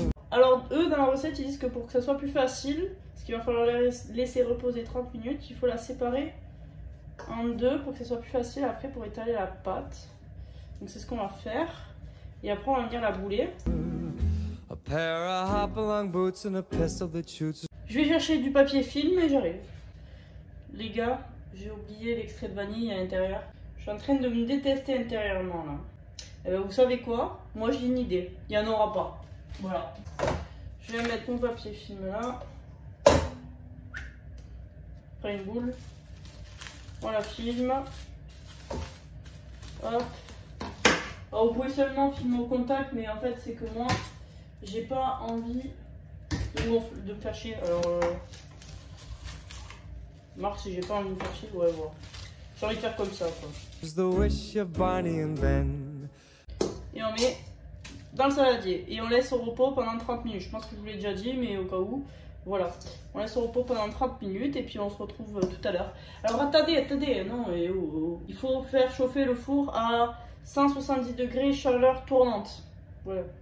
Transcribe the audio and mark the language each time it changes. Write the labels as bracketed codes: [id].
[fr] Alors eux dans la recette ils disent que pour que ça soit plus facile, ce qu'il va falloir laisser reposer 30 minutes, il faut la séparer en deux pour que ça soit plus facile après pour étaler la pâte. Donc c'est ce qu'on va faire et après on va venir la bouler. [en] A pair of hop-along boots and a pistol that shoots. [fr] Je vais chercher du papier film et j'arrive. Les gars, j'ai oublié l'extrait de vanille à l'intérieur. Je suis en train de me détester intérieurement là. Eh bien, vous savez quoi? Moi j'ai une idée, il n'y en aura pas. Voilà. Je vais mettre mon papier film là. Après une boule. On la filme. Hop. Alors, vous pouvez seulement filmer au contact, mais en fait c'est que moi, j'ai pas envie de me faire chier. Alors. Marc, si j'ai pas envie de me faire chier, ouais, voilà. J'ai envie de faire comme ça. Quoi. [en] The wish of Barney and Ben. [fr] Et on met dans le saladier et on laisse au repos pendant 30 minutes. Je pense que je vous l'ai déjà dit, mais au cas où, voilà. On laisse au repos pendant 30 minutes et puis on se retrouve tout à l'heure. Alors attendez, non, et il faut faire chauffer le four à 170 degrés chaleur tournante. Voilà.